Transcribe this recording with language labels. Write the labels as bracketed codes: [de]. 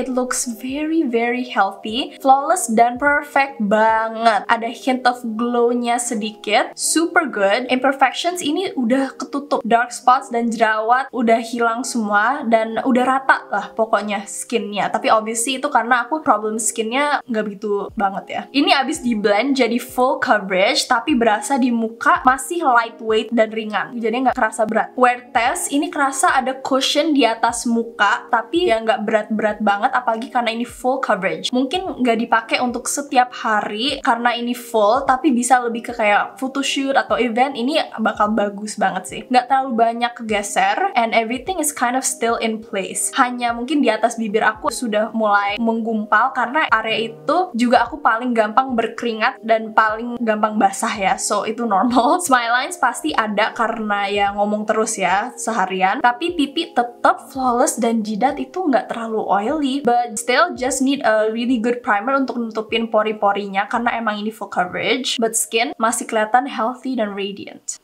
[en] It looks very very healthy, flawless [id] dan [en] perfect [id] banget. Ada hint of glow-nya sedikit, [en] super good. [id] Imperfections ini udah ketutup, dark spots dan jerawat udah hilang semua dan udah rata lah pokoknya skinnya. Tapi obviously itu karena aku problem skinnya nggak begitu banget ya. Ini abis di blend jadi full coverage, tapi berasa di muka masih lightweight dan ringan, jadi nggak kerasa berat. Wear test ini kerasa ada cushion di atas muka, tapi ya nggak berat-berat banget, apalagi karena ini full coverage. Mungkin nggak dipakai untuk setiap hari karena ini full, tapi bisa lebih ke kayak photoshoot atau event, ini bakal bagus banget sih. Nggak terlalu banyak geser [en] and everything is kind of still in place. [id] Hanya mungkin di atas bibir aku sudah mulai menggumpal karena area itu juga aku paling gampang berkeringat dan paling gampang basah ya, so itu normal. Smile lines pasti ada karena ya ngomong terus ya seharian, tapi pipi tetap flawless dan jidat itu nggak terlalu oily, [en] but still just need a really good primer [id] untuk nutupin pori-porinya karena emang ini full coverage, but skin masih kelihatan healthy dan radiant.